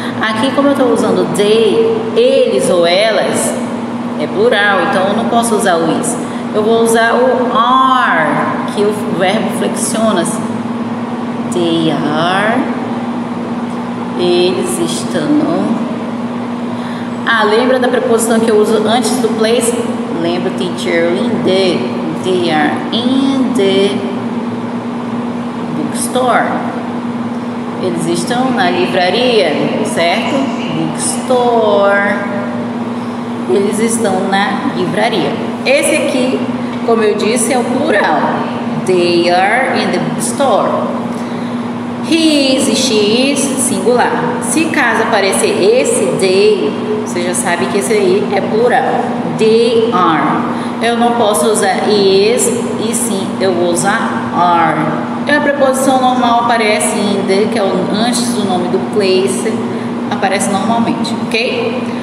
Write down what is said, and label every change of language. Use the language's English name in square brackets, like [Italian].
[Portuguese] Aqui, como eu estou usando they, eles ou elas, é plural, então eu não posso usar o is. Eu vou usar o are, que o verbo flexiona-se. [English] They are, [Portuguese] eles estão. Ah, lembra da preposição que eu uso antes do place? Lembra, teacher, [English] in the, they are in the bookstore. [Portuguese] Eles estão na livraria, certo? Bookstore. Eles estão na livraria. Esse aqui, como eu disse, é o plural. [English] They are in the bookstore. He is, she is, singular. [Portuguese] Se caso aparecer esse they, você já sabe que esse aí é plural. [English] They are. [Portuguese] Eu não posso usar is e sim, eu vou usar are. A preposição normal aparece em the, que é antes do nome do place, aparece normalmente, ok?